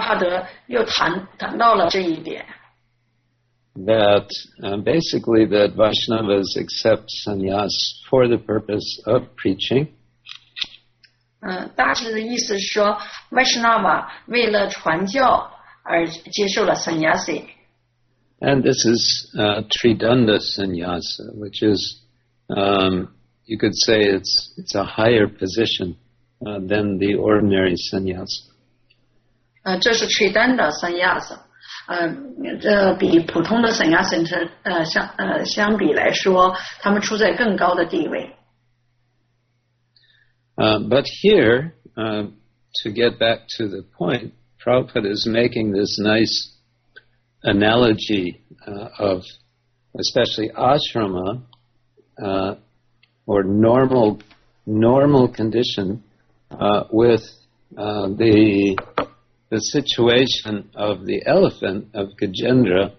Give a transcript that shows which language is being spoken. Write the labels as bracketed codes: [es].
[zh] 在另外一种背景当中，帕帕德又谈到了这一点。 [en] That basically that Vaishnavas accept sannyas for the purpose of preaching. [zh] 大致的意思是说 Vaishnava 为了传教而接受了sannyasi。 [en] And this is Tridanda sannyasa, which is, you could say it's a higher position than the ordinary sannyasa. [zh] 这是 Tridanda sannyasa. 这比普通的 sannyasa 相比来说，他们处在更高的地位。 [en] But here, to get back to the point, Prabhupada is making this nice analogy of especially ashrama or normal condition with the situation of the elephant of Gajendra.